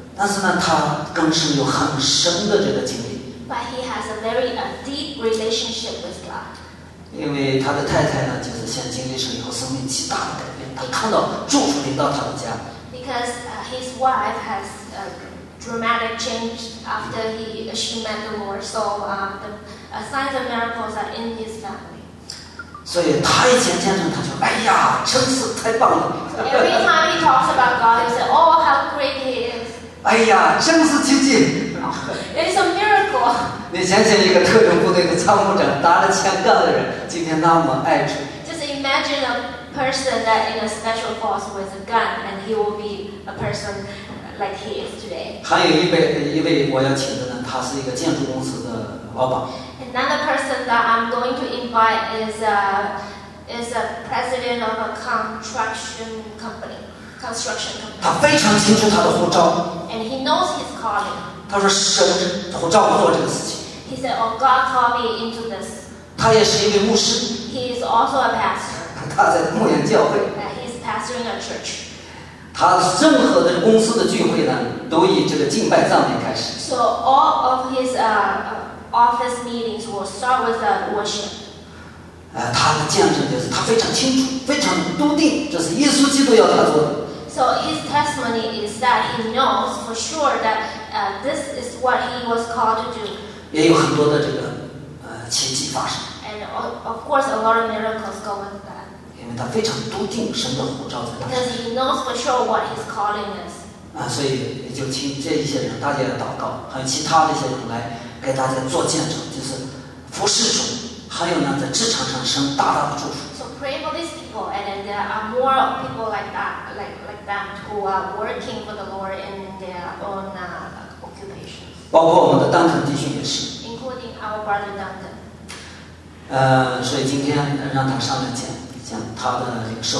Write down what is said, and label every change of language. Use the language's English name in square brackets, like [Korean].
[Chinese] 但是呢，他更是有很深的这个经历。 [English] But he has a very deep relationship with God. [Chinese] 因为他的太太呢，就是先经历神以后，生命极大的改变。他看到祝福临到他的家。 [English] Because his wife has a dramatic change after she met the Lord, so the signs and miracles are in his family. [Chinese] 所以他以前见证，他就哎呀，真是太棒了。 [English] Every time he talks about God, he says, "Oh, how great he is." [Chinese] 哎呀，真是奇迹 [English] ！It's a miracle。 [Chinese] 你想想，一个特种部队的参谋长，拿了枪干的人，今天那么爱主。 [English] Just imagine a person that in a special force with a gun, and he will be a person like he is today. [Chinese] 还有一位我要请的呢，他是一个建筑公司的老板。 [English] Another person that I'm going to invite is a president of a construction company. [Chinese] 他非常清楚他的护照。 [English] And he knows his calling. [Chinese] 他说神呼召我做这个事情。 [English] He said, "Oh, God called me into this." [Chinese] 他也是一位牧师。 [English] He is also a pastor. [Chinese] 他在牧羊教会。 [English] And he's pastoring a church. [Chinese] 他任何的公司的聚会呢，都以这个敬拜赞美开始。 [English] So all of his office meetings will start with a worship. [Chinese] 他的见证就是他非常清楚，非常笃定，这是耶稣基督要他做的。 [English] So his testimony is that he knows for sure that this is what he was called to do. [Chinese] 也有很多的这个奇迹发生。 [English] And of course, a lot of miracles go with that. [Chinese] 因为他非常笃定神的呼召在他。 [English] Because he knows for sure what his calling is. [Chinese] 所以也就请这一些人，大家要祷告，还有其他的一些人来给大家做见证，就是服侍主。还有呢，在职场上生大大的祝福。 [English] So pray for these people, and then there are more people like that, like them who are working for the Lord in their own occupations. [Chinese] 包括我们的丹肯弟兄也是。 [English] Including our brother Duncan. [Chinese] 所以今天让他上来讲他的领受。